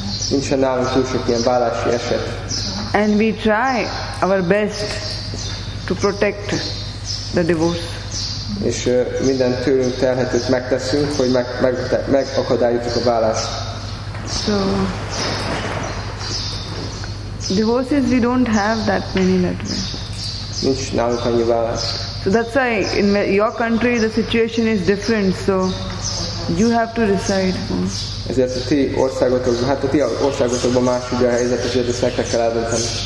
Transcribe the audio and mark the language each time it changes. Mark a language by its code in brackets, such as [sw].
[hu] Nincsen nálunk túl sok ilyen válási eset. [en] And we try our best to protect the divorce. [hu] És minden tőlünk telhetőt megteszünk, hogy megakadályozzuk a válást. [en] So, divorces we don't have that many that way. [hu] Nincs nálunk annyi válás. [en] So that's why in your country the situation is different, so you have to decide. [hu] Ezért a ti országotokban más ugye a helyzet, ezért ezt meg kell eldönteni.